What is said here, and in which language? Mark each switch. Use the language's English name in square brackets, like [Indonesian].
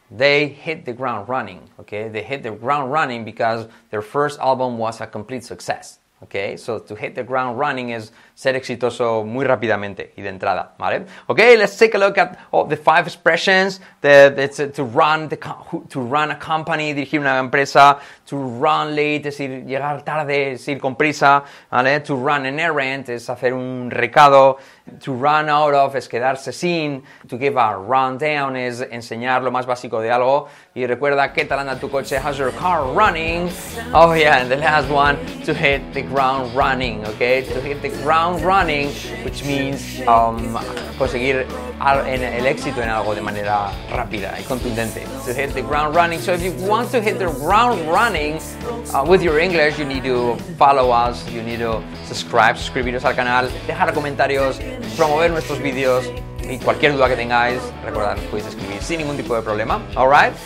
[English] They hit the ground running, okay? They hit the ground running because their first album was a complete success, okay? So to hit the ground running is [Spanish] ser exitoso muy rápidamente y de entrada, ¿vale? [English] Okay, let's take a look at the 5 expressions. To run a company, [Spanish] dirigir una empresa. [English] To run late, [Spanish] es decir, llegar tarde, es ir con prisa, ¿vale? [English] To run an errand, [Spanish] es hacer un recado. [English] To run out of, [Spanish] es quedarse sin. [English] To give a rundown, [Spanish] es enseñar lo más básico de algo. Y recuerda, ¿qué tal anda tu coche? [English] How's your car running? Oh, yeah, and the last one, to hit the ground running, okay? To hit the ground running, which means [Spanish] conseguir el éxito en algo de manera rápida y contundente. [English] To hit the ground running. So if you want to hit the ground running with your English, you need to follow us, you need to subscribe, [Spanish] suscribiros al canal, dejar comentarios, promover nuestros vídeos y cualquier duda que tengáis, recordad, podéis escribir sin ningún tipo de problema. [English] All right?